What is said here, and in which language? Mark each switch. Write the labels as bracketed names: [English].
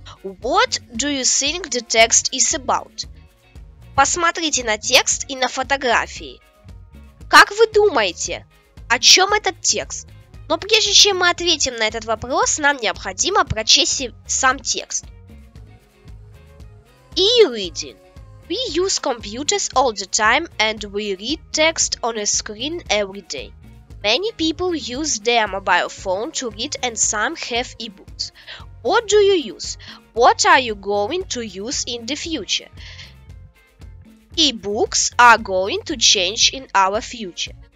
[English] What do you think the text is about? [Russian] Посмотрите на текст и на фотографии. Как вы думаете, о чем этот текст? Но прежде чем мы ответим на этот вопрос, нам необходимо прочесть сам текст. [English] E-reading. We use computers all the time and we read text on a screen every day. Many people use their mobile phone to read and some have e-books. What do you use? What are you going to use in the future? E-books are going to change in our future.